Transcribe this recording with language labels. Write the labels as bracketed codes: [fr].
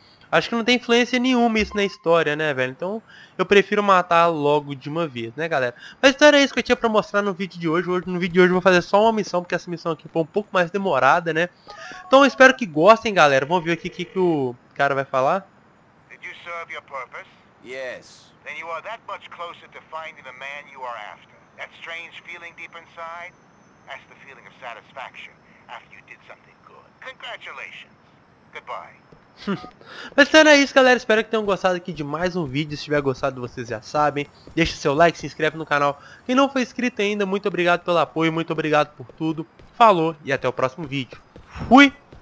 [pt] Acho que não tem influência nenhuma isso na história, né, velho? Então, eu prefiro matar logo de uma vez, né, galera? Mas então era isso que eu tinha pra mostrar no vídeo de hoje. No vídeo de hoje eu vou fazer só uma missão, porque essa missão aqui foi um pouco mais demorada, né? Então, eu espero que gostem, galera. Vamos ver aqui o que o cara vai falar. [en] Did you serve your purpose? Yes. Then you are that much closer to finding the man you are after. That strange feeling deep inside? That's the feeling of satisfaction after you did something good. Congratulations. Goodbye. [pt] Mas então é isso, galera, espero que tenham gostado aqui de mais um vídeo. Se tiver gostado, vocês já sabem, deixa seu like, se inscreve no canal. Quem não foi inscrito ainda, muito obrigado pelo apoio, muito obrigado por tudo. Falou e até o próximo vídeo. Fui!